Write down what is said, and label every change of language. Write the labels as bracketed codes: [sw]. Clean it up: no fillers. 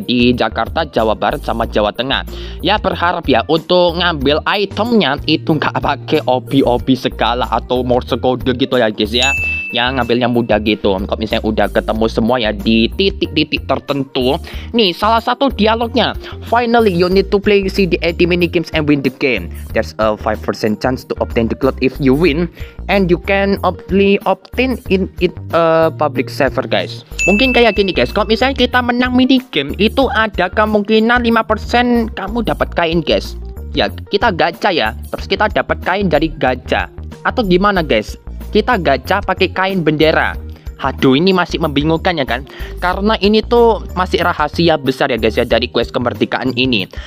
[id] Di Jakarta, Jawa Barat, sama Jawa Tengah. Ya berharap ya untuk ngambil itemnya itu nggak pakai obi-obi segala atau morse code gitu ya guys ya. Ya ngambilnya mudah gitu. Kalau misalnya udah ketemu semua ya di titik-titik tertentu. Nih salah satu dialognya. [en] Finally you need to play CDAD minigames and win the game. There's a 5% chance to obtain the cloth if you win. And you can only obtain in it a public server guys. [id] Mungkin kayak gini guys. Kalau misalnya kita menang minigame itu ada kemungkinan 5% kamu dapat kain guys. Ya kita gacha ya. Terus kita dapat kain dari gacha. Atau gimana guys? Kita gacha pakai kain bendera. Aduh, ini masih membingungkan ya kan? Karena ini tuh masih rahasia besar ya guys ya dari quest kemerdekaan ini.